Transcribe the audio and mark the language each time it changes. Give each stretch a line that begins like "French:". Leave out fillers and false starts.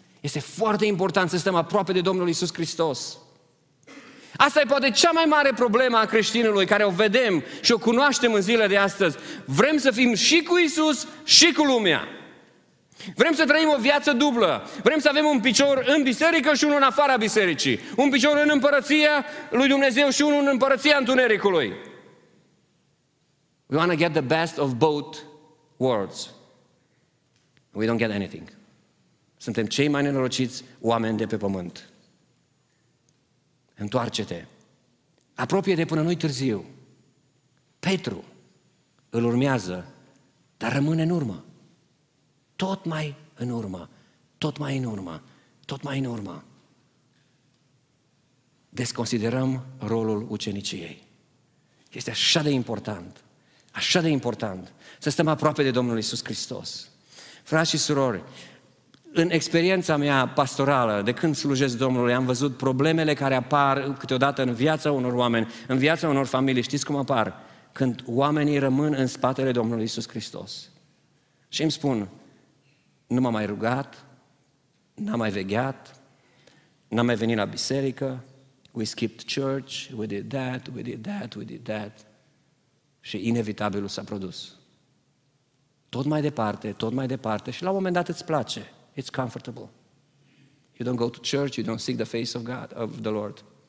Romanian: Este foarte important să stăm aproape de Domnul Iisus Hristos. Asta e poate cea mai mare problemă a creștinului, care o vedem și o cunoaștem în zilele de astăzi. Vrem să fim și cu Iisus și cu lumea. Vrem să trăim o viață dublă. Vrem să avem un picior în biserică și unul în afara bisericii. Un picior în împărăția lui Dumnezeu și unul în împărăția întunericului.
English: We want to get the best of both worlds. We don't get anything.
Romanian: Suntem cei mai nenorociți oameni de pe pământ. Întoarce-te. Apropie-te până nu-i târziu. Petru îl urmează, dar rămâne în urmă. Tot mai în urmă, tot mai în urmă, tot mai în urmă. Desconsiderăm rolul uceniciei. Este așa de important, așa de important să stăm aproape de Domnul Iisus Hristos. Frați și surori, în experiența mea pastorală, de când slujesc Domnului, am văzut problemele care apar câteodată în viața unor oameni, în viața unor familii, știți cum apar? Când oamenii rămân în spatele Domnului Iisus Hristos. Și îmi spun... Nu m-am mai rugat, n-am mai vegheat, n-am mai venit la biserică,
English: we skipped church, we did that,
Romanian: we did that, we did that. Și inevitabilul s-a produs. Tot mai departe, tot mai departe și la un moment dat îți place.
English: It's comfortable. You don't go to church, you don't seek the face of God, of the Lord.